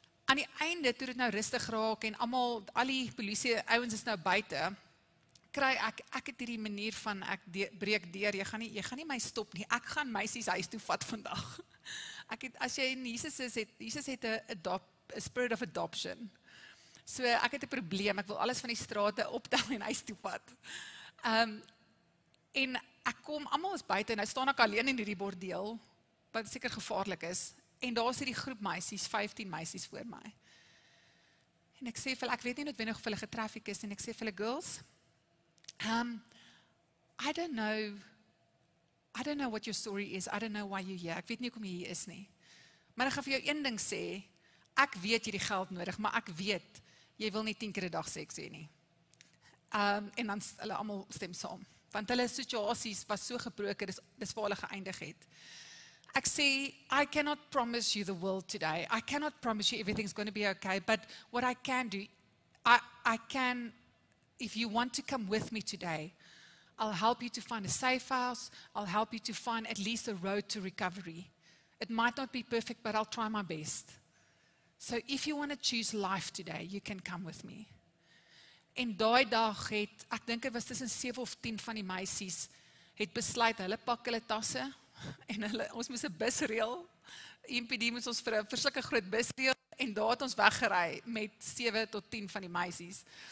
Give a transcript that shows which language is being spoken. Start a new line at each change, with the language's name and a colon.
Afrikaans: Aan die einde, toe dit nou rustig raak en al die polisie ouens is nou buite, kry ek het hierdie manier van breek deur, jy gaan nie my stop nie, ek gaan meisies huis toe vat vandag. Ek het, as jy in Jesus is, Jesus het
English: a spirit of adoption.
Afrikaans: So ek het 'n probleem, ek wil alles van die strate optel en huis toe vat. En ek kom, almal is buite, en nou staan ek alleen in die bordeel, wat seker gevaarlik is, en daar is die groep meisies, 15 meisies voor my. En ek sê vir hulle, ek weet nie noodwendig of hulle getraffic is, en ek sê vir hulle,
English: girls, I don't know what your story is, I don't know why you're here,
Afrikaans: ek weet nie hoekom jy hier is nie, maar ek gaan vir jou een ding sê, ek weet jy die geld nodig, maar ek weet, jy wil nie 10 keer 'n dag seks hê nie. En dan hulle allemaal stem saam, want hulle situasies was so gebroken, dis waar hulle geëindig het.
English: Ek sê, I cannot promise you the world today, I cannot promise you everything's going to be okay, but what I can do, I can, if you want to come with me today, I'll help you to find a safe house, I'll help you to find at least a road to recovery. It might not be perfect, but I'll try my best. So if you want to choose life today, you can come with me.
Afrikaans: En daai dag het, ek dink het was tussen 7 of 10 van die meisies, het besluit, hulle pak hulle tasse, en hulle, ons moes 'n bus reël, MPD moes ons vir 'n verskrikke groot bus reël, en daar het ons weggery met 7 tot 10 van die meisies.